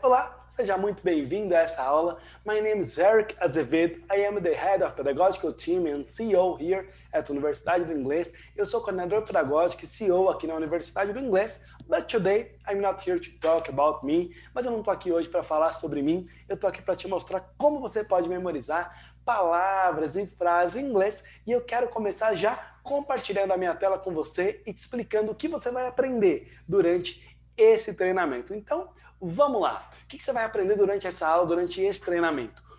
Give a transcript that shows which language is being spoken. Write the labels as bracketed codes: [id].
[pt] Olá, seja muito bem-vindo a essa aula. [en] My name is [pt] Eric Azevedo. [en] I am the head of pedagogical team and CEO here at Universidade do Inglês. [pt] Eu sou coordenador pedagógico e CEO aqui na Universidade do Inglês. [en] But today, I'm not here to talk about me. [pt] Mas eu não estou aqui hoje para falar sobre mim. Eu estou aqui para te mostrar como você pode memorizar palavras e frases em inglês. E eu quero começar já compartilhando a minha tela com você e te explicando o que você vai aprender durante esse treinamento. Então, vamos lá. O que você vai aprender durante essa aula, durante esse treinamento?